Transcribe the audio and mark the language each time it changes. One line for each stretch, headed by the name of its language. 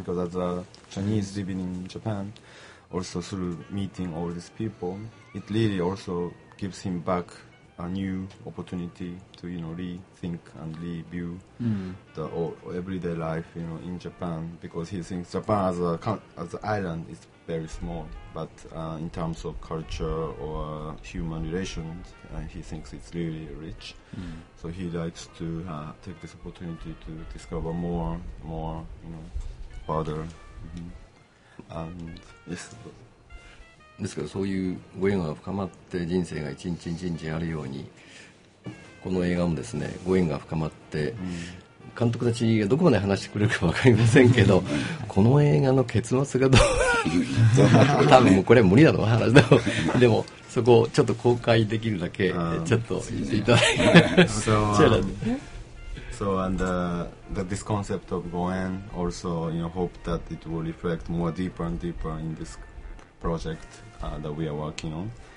English: because as a Chinese living in Japan, also through meeting all these people, it really also gives him back a new opportunity to, you know, rethink and review the everyday life, you know, in Japan, because he thinks Japan as a island is very small, but in terms of culture or human relations, he thinks it's really rich. Mm. So he likes to take this opportunity to discover more, you know, further. Mm-hmm. And yes.
Japanese: ですからそういうご縁が深まって人生が一日一日あるようにこの映画もですねご縁が深まって監督たちがどこまで話してくれるか分かりませんけどこの映画の結末がどう多分もうこれは無理だと思う話だでもそこをちょっと公開できるだけちょっと言っていただいて、
English: so, So and this concept of Goen also, you know, hope that it will reflect more deeper and deeper in this project that we are working on.